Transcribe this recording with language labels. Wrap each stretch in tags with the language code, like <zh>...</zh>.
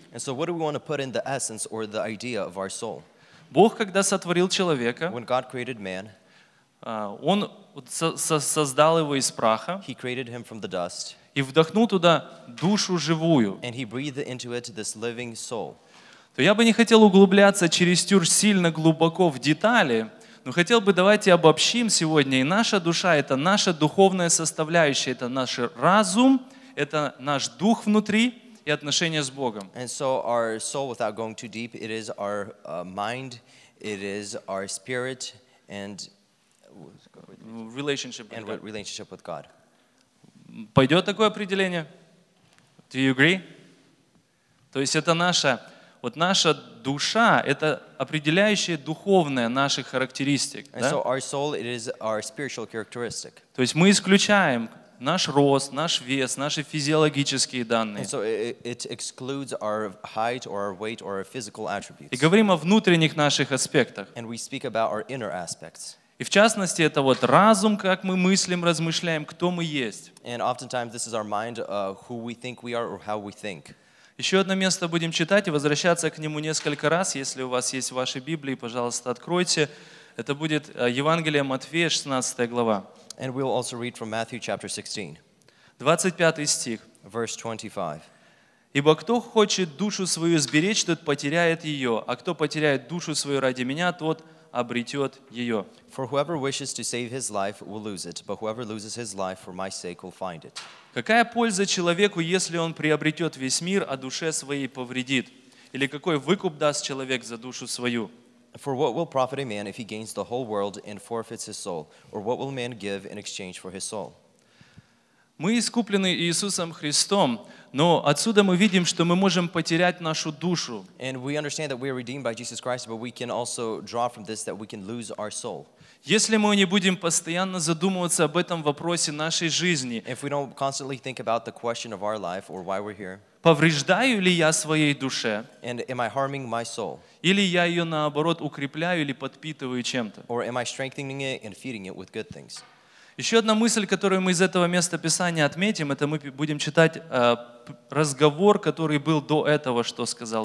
<en>And so what do we want to put in the essence or the idea of our soul?</en> <ru>Бог, когда сотворил человека,</ru> <en>when God created man,</en> <ru>Он создал его из праха,</ru> <en>He created him from the dust,</en> <ru>и вдохнул туда душу живую,</ru> <en>and He breathed into it this living soul.</en> <ru>То я бы не хотел углубляться чересчур сильно глубоко в детали, но хотел бы, давайте обобщим сегодня, и наша душа — это наша духовная составляющая, это наш разум, это наш дух внутри, и отношения с Богом.</ru> <en>And so our soul, without going too deep, it is our mind, it is our spirit, and relationship, and with, relationship with God.</en> <ru>Пойдет такое определение?</ru> <en>Do you agree?</en> <ru>То есть это наша, вот наша душа, это определяющая духовная наших характеристик.</ru> <en>And</en> <ru>да?</ru> <en>So our soul, it is our spiritual characteristic.</en> <ru>То есть мы исключаем наш рост, наш вес, наши физиологические данные.</ru> <en>And so it excludes our height or our weight or our physical attributes.</en> <ru>И говорим о внутренних наших аспектах.</ru> <en>And we speak about our inner aspects.</en> <ru>И в частности, это вот разум, как мы мыслим, размышляем, кто мы есть.</ru> <en>And oftentimes this is our mind, who we think we are or how we think.</en> <ru>Еще одно место будем читать и возвращаться к нему несколько раз. Если у вас есть ваши Библии, пожалуйста, откройте. Это будет Евангелие Матфея, 16 глава.</ru> <en>And we'll also read from Matthew chapter 16.</en> <ru>25 стих.</ru> <en>Verse 25.</en> <ru>Ибо кто хочет душу свою сберечь, тот потеряет ее, а кто потеряет душу свою ради меня, тот обретет ее.</ru> <en>For whoever wishes to save his life will lose it, but whoever loses his life for my sake will find it.</en> <ru>Какая польза человеку, если он приобретет весь мир, а душе своей повредит? Или какой выкуп даст человек за душу свою?</ru> <en>For what will profit a man if he gains the whole world and forfeits his soul? Or what will man give in exchange for his soul?</en> <ru>Мы искуплены Иисусом Христом, но отсюда мы видим, что мы можем потерять нашу душу.</ru> <en>And we understand that we are redeemed by Jesus Christ, but we can also draw from this that we can lose our soul.</en> <ru>Если мы не будем постоянно задумываться об этом вопросе нашей жизни,</ru> <en>if we don't constantly think about the question of our life or why we're here,</en> <ru>повреждаю ли я своей душе?</ru> <en>And am I harming my soul?</en> <ru>Или я ее, наоборот, укрепляю или подпитываю чем-то?</ru> <en>Or am I strengthening it and feeding it with good things?</en> <ru>Еще одна мысль, которую мы из этого места Писания отметим, это мы будем читать разговор, который был до этого, что сказал</ru>